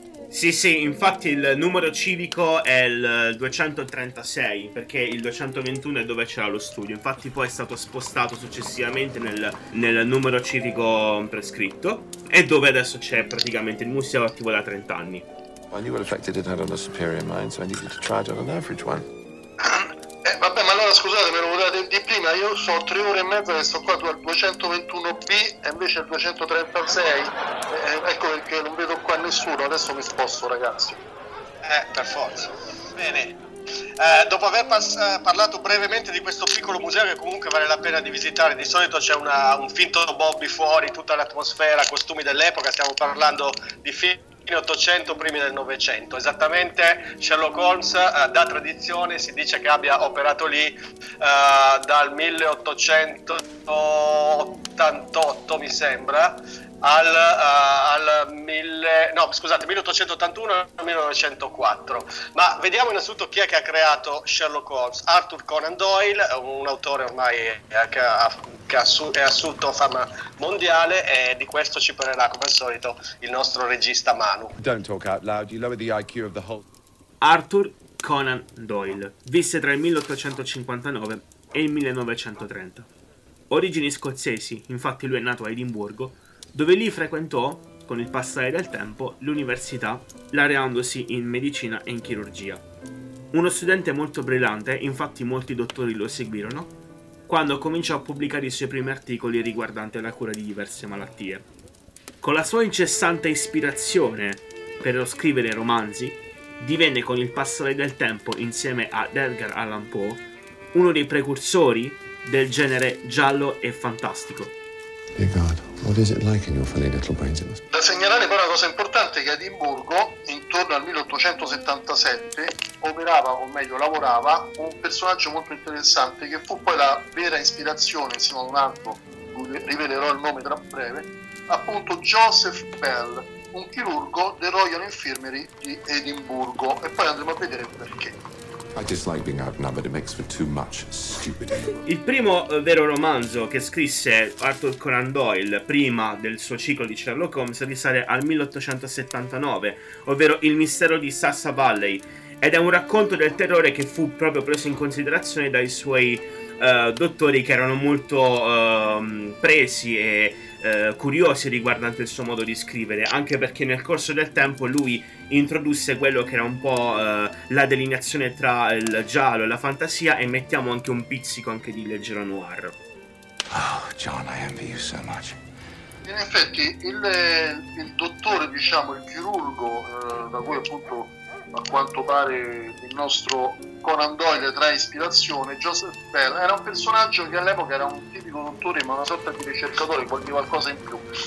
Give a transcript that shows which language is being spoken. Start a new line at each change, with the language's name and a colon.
Italian: Sì, sì, infatti il numero civico è il 236, perché il 221 è dove c'era lo studio. Infatti poi è stato spostato successivamente nel numero civico prescritto, e dove adesso c'è praticamente il museo attivo da 30 anni.
English: I knew what effect it had on a superior mind, so I needed to try it on an average one.
Italian: Vabbè, ma allora scusate, me lo volevate di prima, io sono 3 ore e mezza che sto qua, tu al 221B e invece al 236, ecco perché non vedo qua nessuno, adesso mi sposto ragazzi. Per forza. Bene, dopo aver parlato brevemente di questo piccolo museo che comunque vale la pena di visitare, di solito c'è un finto Bobby fuori, tutta l'atmosfera, costumi dell'epoca, stiamo parlando di fine 800, primi del 900, esattamente Sherlock Holmes da tradizione si dice che abbia operato lì dal 1888 mi sembra al 1881 al 1904. Ma vediamo innanzitutto chi è che ha creato Sherlock Holmes. Arthur Conan Doyle, un autore ormai che è assunto fama mondiale, e di questo ci parlerà come al solito il nostro regista Manu.
English: Don't talk out loud, you lower the IQ of the whole.
Italian: Arthur Conan Doyle visse tra il 1859 e il 1930. Origini scozzesi, infatti lui è nato a Edimburgo, dove lì frequentò, con il passare del tempo, l'università, laureandosi in medicina e in chirurgia. Uno studente molto brillante, infatti molti dottori lo seguirono, quando cominciò a pubblicare i suoi primi articoli riguardanti la cura di diverse malattie. Con la sua incessante ispirazione per scrivere romanzi, divenne con il passare del tempo, insieme ad Edgar Allan Poe, uno dei precursori del genere giallo e fantastico.
English: Dear God, what is it like in your funny little brains?
Italian: Da segnalare però una cosa importante è che Edimburgo, intorno al 1877, operava, o meglio, lavorava un personaggio molto interessante che fu poi la vera ispirazione, insieme ad un altro, rivelerò il nome tra breve, appunto Joseph Bell, un chirurgo del Royal Infirmary di Edimburgo, e poi andremo a vedere perché.
English: I dislike being outnumbered, it makes for too much stupidity.
Italian: Il primo vero romanzo che scrisse Arthur Conan Doyle prima del suo ciclo di Sherlock Holmes risale al 1879, ovvero Il mistero di Sassa Valley, ed è un racconto del terrore che fu proprio preso in considerazione dai suoi dottori, che erano molto presi e curiosi riguardante il suo modo di scrivere, anche perché nel corso del tempo lui introdusse quello che era un po' la delineazione tra il giallo e la fantasia, e mettiamo anche un pizzico anche di leggero noir.
English: Oh, John, I envy you so much.
Italian: In effetti il dottore, diciamo, il chirurgo da cui appunto a quanto pare il nostro Conan Doyle trae ispirazione, Joseph Bell, era un personaggio che all'epoca era un tipico dottore, ma una sorta di ricercatore, qualcosa in più.